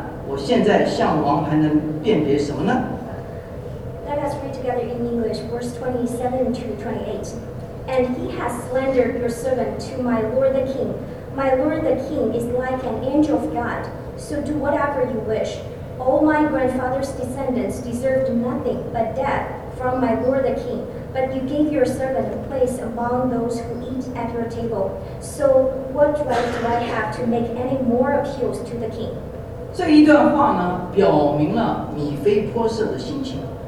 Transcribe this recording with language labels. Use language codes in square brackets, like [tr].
[zh] 又在我主我王面前谄悔我，然而我主我王如同神的使者一般，你看怎么好就怎么样行吧，因为我主全家的人在我主我王面前都算为死人，王却使仆人在王的席上同人吃饭，我现在向王还能辨别什么呢？ [en] Let us read together in English, verse 27 to 28. And he has slandered your servant to my lord the king. My lord the king is like an angel of God, so do whatever you wish. All my grandfather's descendants deserved nothing but death from my lord the king, but you gave your servant a place among those who eat at your table. So what right do I have to make any more appeals to the king? [zh] 这一段话呢，表明了米非波设的心情。